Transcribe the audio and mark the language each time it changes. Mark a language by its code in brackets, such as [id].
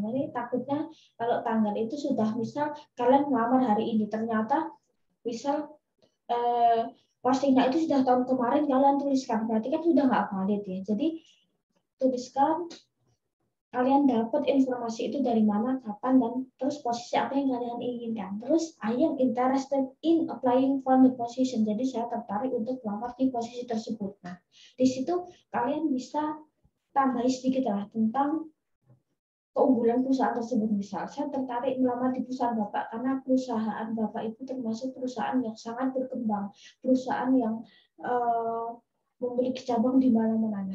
[id] Jadi takutnya kalau tanggal itu sudah misal kalian melamar hari ini ternyata misal postingnya itu sudah tahun kemarin kalian tuliskan, berarti kan sudah nggak valid ya. Jadi tuliskan kalian dapat informasi itu dari mana, kapan, dan terus posisi apa yang kalian inginkan. Terus [en] I am interested in applying for the position. [id] Jadi saya tertarik untuk melamar di posisi tersebut. Nah, di situ kalian bisa tambahin sedikit lah tentang keunggulan perusahaan tersebut. Misal saya tertarik melamar di perusahaan bapak karena perusahaan bapak itu termasuk perusahaan yang sangat berkembang, perusahaan yang memiliki cabang di mana-mana.